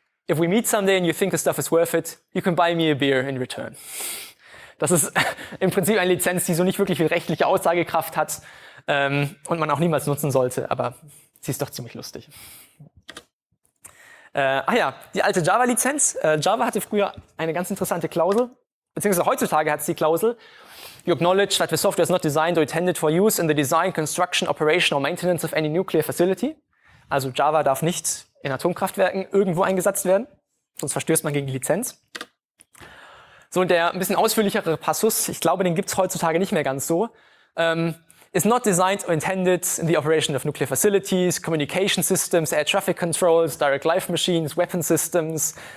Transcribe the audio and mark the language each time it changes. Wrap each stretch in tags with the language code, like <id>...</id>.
<en>If we meet someday and you think this stuff is worth it, you can buy me a beer in return.</en> <de>Das ist im Prinzip eine Lizenz, die so nicht wirklich viel rechtliche Aussagekraft hat, und man auch niemals nutzen sollte, aber sie ist doch ziemlich lustig. Ach ja, die alte Java-Lizenz. Java hatte früher eine ganz interessante Klausel, beziehungsweise heutzutage hat es die Klausel.</de> <en>You acknowledge that the software is not designed or intended for use in the design, construction, operation or maintenance of any nuclear facility.</en> <de>Also Java darf nicht in Atomkraftwerken irgendwo eingesetzt werden, sonst verstößt man gegen die Lizenz. So, und der ein bisschen ausführlichere Passus, ich glaube, den gibt es heutzutage nicht mehr ganz so.</de> <en>Is not designed or intended in the operation of nuclear facilities, communication systems, air traffic controls, direct life machines, weapon systems.</en>